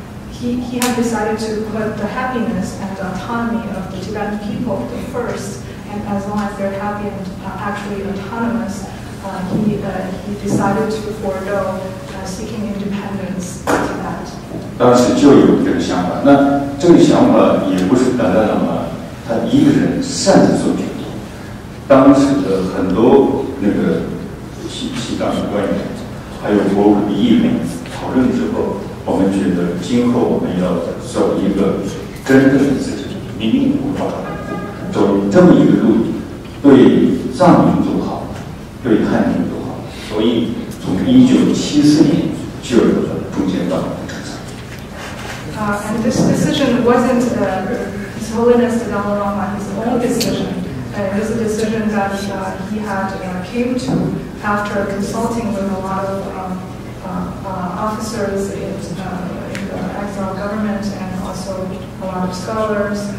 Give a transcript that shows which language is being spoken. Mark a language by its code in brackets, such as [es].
[en] He had decided to put the happiness and the autonomy of the Tibetan people the first, and as long as they're happy and actually autonomous, he decided to forego seeking independence to Tibet. [zh] 当时就有这个想法，那这个想法也不是达赖喇嘛他一个人擅自做决定，当时的很多那个西藏的官员还有国务的议员讨论之后，我们觉得今后我们要走一个真正的自治，民命无法走这么一个路，对藏民族好，对汉民族好，所以从1974年就有了中间道。 [en] And this decision wasn't His Holiness the Dalai Lama his own decision. It was a decision that he had came to after consulting with a lot of officers in the exile government and also a lot of scholars.